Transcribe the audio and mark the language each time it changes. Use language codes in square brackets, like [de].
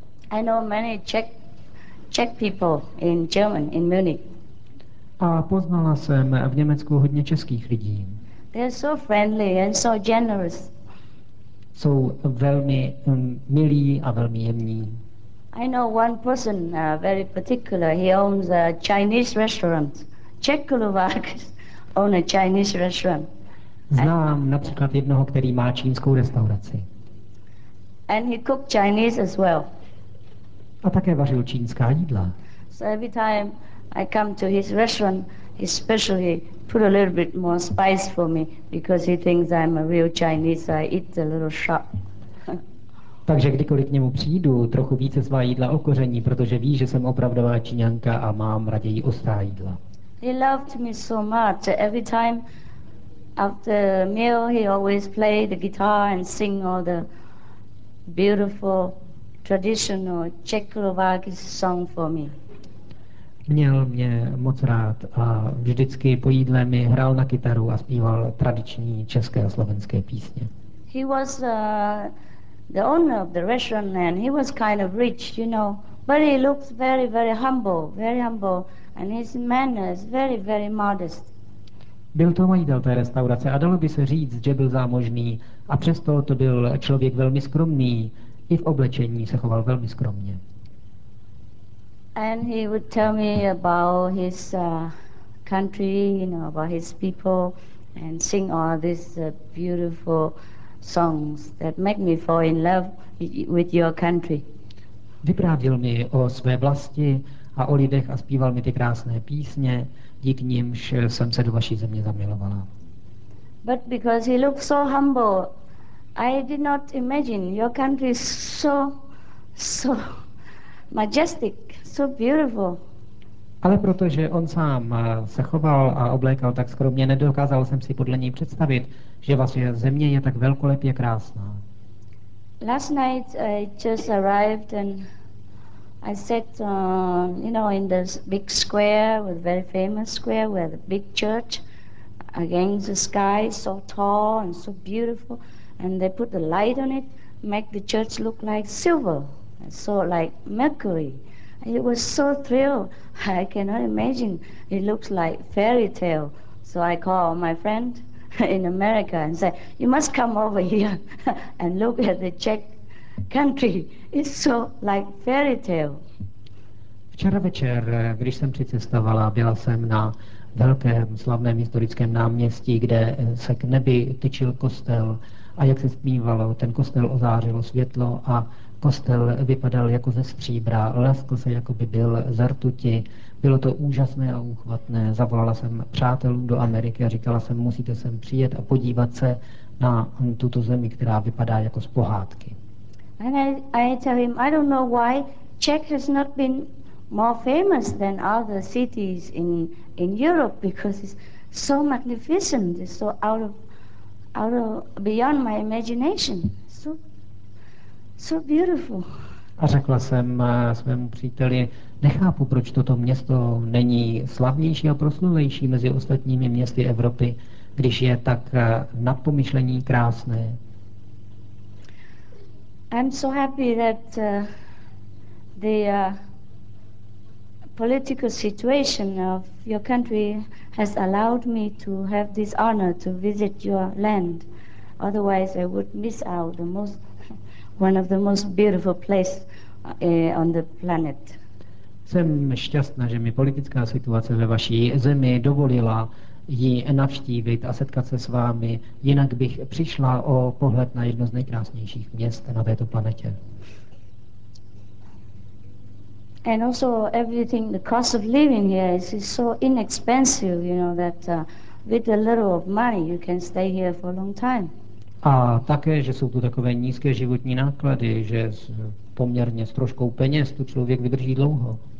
[en] I know many Czech people in German, in Munich. [cs] A poznala jsem v Německu hodně českých lidí. [en] They are so friendly and so generous. [cs] Jsou velmi milí a velmi jemní. [en] I know one person very particular. He owns a Chinese restaurant. Czech Kulovák owns a Chinese restaurant. [cs] Znám například jednoho, který má čínskou restauraci. [en] And he cooks Chinese as well. [cs] A také vařil čínská jídla. [en] So every time I come to his restaurant, he specially put a little bit more spice for me because he thinks I'm a real Chinese, so I eat a little sharp. [cs] Takže kdykoliv k němu přijdu, trochu více svá jídla okoření, protože ví, že jsem opravdová Číňanka a mám raději ostrá jídla. [en] He loved me so much. Every time after meal, he always played the guitar and sing all the beautiful traditional Czechoslovakian song for me. [cs] Měl mě moc rád a vždycky po jídle mi hrál na kytaru a zpíval tradiční české a slovenské písně. [en] He was the owner of the restaurant and he was kind of rich, you know, but he looks very, very humble, very humble, and his manners very, very modest. [cs] Byl to majitel té restaurace a dalo by se říct, že byl zámožný, a přesto to byl člověk velmi skromný, i v oblečení se choval velmi skromně. [en] And he would tell me about his country, you know, about his people, and sing all these beautiful songs that make me fall in love with your country. [cs] Vyprávěl mi o své vlasti a o lidech a zpíval mi ty krásné písně, díky nímž jsem se do vaší země zamilovala. [en] But because he looked so humble, I did not imagine your country is so majestic, so beautiful. [cs] Ale protože on sám se choval a oblékal tak skromně, nedokázal jsem si podle něj představit, že vaše země je tak velkolepě krásná. [en] Last night I just arrived and I sat, you know, in this big square, with very famous square, where the big church against the sky, so tall and so beautiful, and they put the light on it, make the church look like silver, so like mercury. It was so thrilled. I cannot imagine. It looks like fairy tale. So I call my friend in America and say, "You must come over here and look at the Czech country. It's so like fairy tale." [cs] Včera večer, když jsem přicestovala, byla jsem na velkém slavném historickém náměstí, kde se k nebi tyčil kostel, a jak se zpívalo, ten kostel ozářilo světlo a kostel vypadal jako ze stříbra, lesklo se, jako by byl ze rtuti. Bylo to úžasné a úchvatné. Zavolala jsem přátelům do Ameriky a říkala jsem, musíte sem přijet a podívat se na tuto zemi, která vypadá jako z pohádky. [en] And I tell him, I don't know why Czech has not been more famous than other cities in Europe, because it's so magnificent, it's so out of beyond my imagination. So beautiful. [cs] A řekla jsem svému příteli, nechápu, proč toto město není slavnější a proslulejší mezi ostatními městy Evropy, když je tak nadpomyšlení krásné. [en] I'm so happy that the political situation of your country has allowed me to have this honor to visit your land. Otherwise, I would miss out the most one of the most beautiful places on the planet. [cs] Jsem šťastná, že mi politická situace ve vaší zemi dovolila ji navštívit a setkat se s vámi. Jinak bych přišla o pohled na jedno z nejkrásnějších měst na této planetě. [en] And also everything, the cost of living here is so inexpensive, you know, that with a little of money you can stay here for a long time. [cs] A také, že jsou tu takové nízké životní náklady, že s poměrně s troškou peněz tu člověk vydrží dlouho.